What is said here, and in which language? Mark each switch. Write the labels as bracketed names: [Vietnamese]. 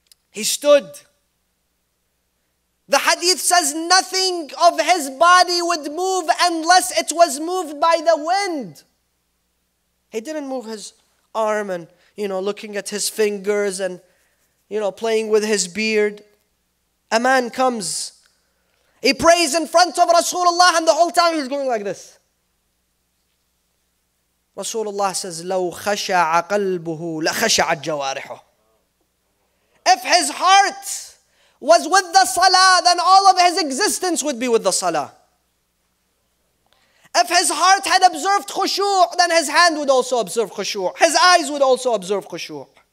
[English] He stood. The hadith says nothing of his body would move unless it was moved by the wind. He didn't move his arm and, you know, looking at his fingers and, you know, playing with his beard. A man comes. He prays in front of Rasulullah and the whole time he's going like this. Rasulullah says, [Arabic] لَوْ خَشَعَ قَلْبُهُ لَخَشَعَ الْجَوَارِحُ. [English] If his heart was with the salah, then all of his existence would be with the salah. If his heart had observed khushu', then his hand would also observe khushu'. His eyes would also observe khushu'.